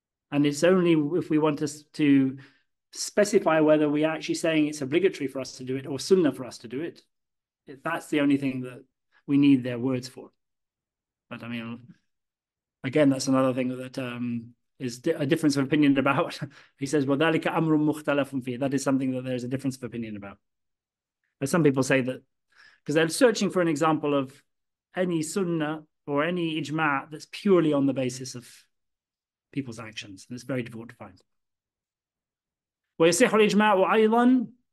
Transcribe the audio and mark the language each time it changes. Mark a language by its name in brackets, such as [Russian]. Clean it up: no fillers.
[English] And it's only if we want us to specify whether we are actually saying it's obligatory for us to do it or sunnah for us to do it, that's the only thing that we need their words for. But I mean, again, that's another thing that is a difference of opinion about. He says, [Arabic] وَذَلِكَ أَمْرٌ مُخْتَلَفٌ فِيهِ. [English] That is something that there's a difference of opinion about. But some people say that, because they're searching for an example of any sunnah or any ijma' that's purely on the basis of people's actions. And it's very difficult to find. [Arabic] وَيَسِحُ الْإِجْمَاعُ وَأَيْضًا.